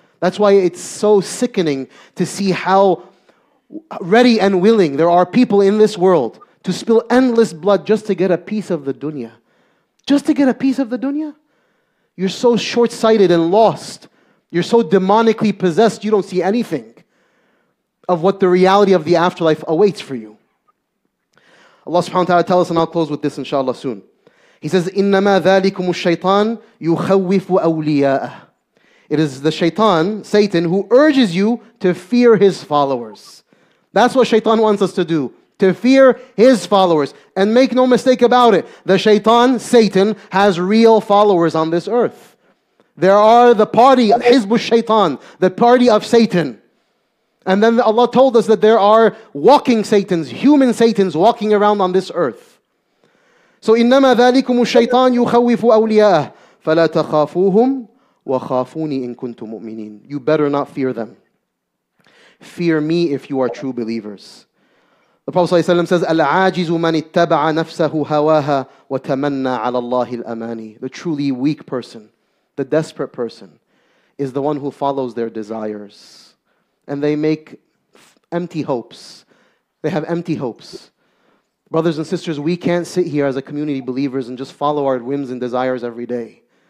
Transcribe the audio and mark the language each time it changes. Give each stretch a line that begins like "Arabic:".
English: That's why it's so sickening to see how ready and willing there are people in this world to spill endless blood just to get a piece of the dunya. Just to get a piece of the dunya? You're so short-sighted and lost. You're so demonically possessed, you don't see anything of what the reality of the afterlife awaits for you. Allah subhanahu wa ta'ala tells us, and I'll close with this inshallah soon. He says,
Arabic: إِنَّمَا ذَلِكُمُ الشَّيْطَانُ يُخَوِّفُ أَوْلِيَاءَهُ.
English: It is the shaitan, Satan, who urges you to fear his followers. That's what shaitan wants us to do. To fear his followers. And make no mistake about it. The shaitan, Satan, has real followers on this earth. There are the party, Hizbush Shaitan, the party of Satan. And then Allah told us that there are walking Satans, human Satans walking around on this earth.
Arabic: So, إِنَّمَا ذَلِكُمُ الشَّيْطَانُ يُخَوِّفُ أَوْلِيَاءَهُ فَلَا تَخَافُوهُمْ وَخَافُونِي إِن كُنْتُمْ مُؤْمِنِينَ.
English: You better not fear them. Fear me if you are true believers. The Prophet ﷺ says,
Arabic: العاجز من اتبع نفسه هواها وتمنى على الله الأماني.
English: The truly weak person, the desperate person, is the one who follows their desires. And they make empty hopes. They have empty hopes. Brothers and sisters, we can't sit here as a community of believers and just follow our whims and desires every day.